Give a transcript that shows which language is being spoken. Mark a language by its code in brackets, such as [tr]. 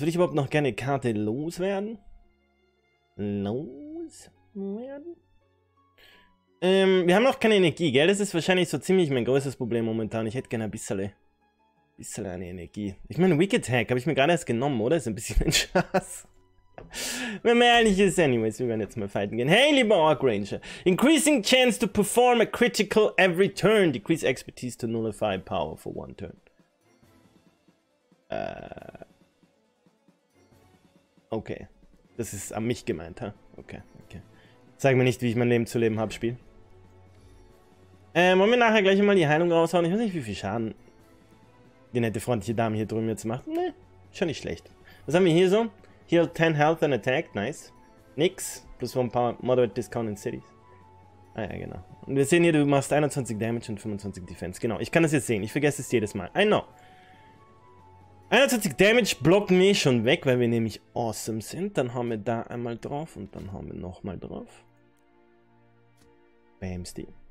[de] Würde ich überhaupt noch gerne Karte loswerden? Loswerden? Wir haben noch keine Energie, gell? Das ist wahrscheinlich so ziemlich mein größtes Problem momentan. Ich hätte gerne ein bisschen eine Energie. Ich meine, Wicked Hack habe ich mir gerade erst genommen, oder? Ist ein bisschen ein Schatz. Wenn man ehrlich ist, anyways, wir werden jetzt mal fighten gehen. Hey, lieber Orc Ranger. [en] Increasing chance to perform a critical every turn. Decrease expertise to nullify power for one turn. Okay. [de] Das ist an mich gemeint, ha? Huh? Okay. Sag mir nicht, wie ich mein Leben zu leben habe, Spiel. Wollen wir nachher gleich mal die Heilung raushauen? Ich weiß nicht, wie viel Schaden die nette freundliche Dame hier drüben jetzt macht. Ne, schon nicht schlecht. Was haben wir hier so? [en] Heal 10 health and attack, nice. Nix, plus 1 power, moderate discount in cities. [de] Ah ja, genau. Und wir sehen hier, du machst 21 damage und 25 defense. Genau, ich kann das jetzt sehen, ich vergesse es jedes Mal. [en] I know. [de] 21 damage blocken wir schon weg, weil wir nämlich awesome sind. Dann haben wir da einmal drauf und dann haben wir nochmal drauf. Bamsty.